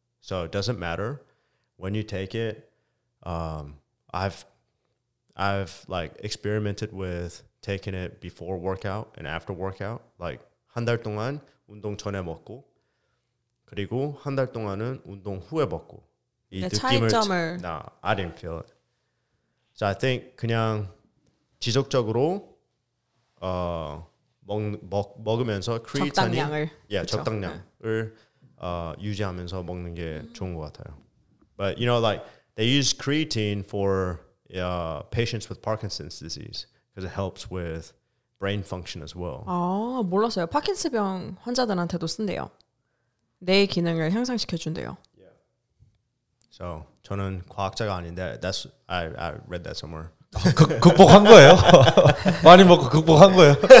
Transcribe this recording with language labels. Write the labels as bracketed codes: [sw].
[en] So it doesn't matter when you take it. I've like experimented with taking it before workout and after workout. [ko] Like 한 달 동안 운동 전에 먹고 그리고 한 달 동안은 운동 후에 먹고 이 차이점을 [en] I didn't feel it. So I think [ko] 그냥 지속적으로 먹으면서 크리에이틴 적당량을 yeah, 적당량을 유지하면서 먹는 게 좋은 것 같아요. [en] But you know, like they use creatine for patients with Parkinson's disease because it helps with brain function as well. [ko] 아 몰랐어요. 파킨슨병 환자들한테도 쓴대요. 뇌 기능을 향상시켜준대요. [en] Yeah. So [ko] 저는 과학자가 아닌데 [en] that's I read that somewhere. [ko] 극복한 거예요. 많이 먹고 극복한 거예요.